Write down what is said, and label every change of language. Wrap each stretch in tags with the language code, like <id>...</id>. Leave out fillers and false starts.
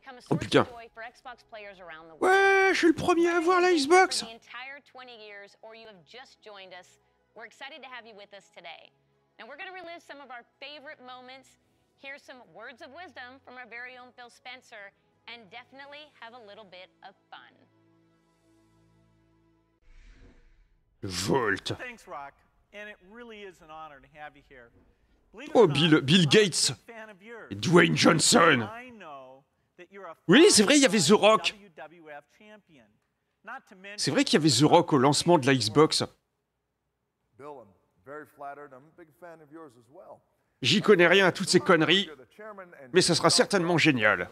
<fr>Oh putain. Ouais, je suis le premier à voir la Xbox.</fr> <en>We're excited to have you with us today. Now we're going to relive some of our favorite moments, hear some words of wisdom from our very own Phil Spencer, and definitely have a little bit of fun. Volt. Thanks, Rock. And it really is an honor to have you here. Believe oh,</en> <fr>Bill Gates. Et Dwayne Johnson.</fr> <en>I know that you're a</en> <fr>oui, c'est vrai, il y avait The Rock.</fr> <en>WWF champion. Not to mention</en> <fr>c'est vrai qu'il y avait The Rock au lancement de la Xbox.</fr> <en>Bill, I'm very flattered. I'm a big fan of yours as well.</en> <fr>J'y connais rien à toutes ces conneries, mais ça sera certainement génial.</fr>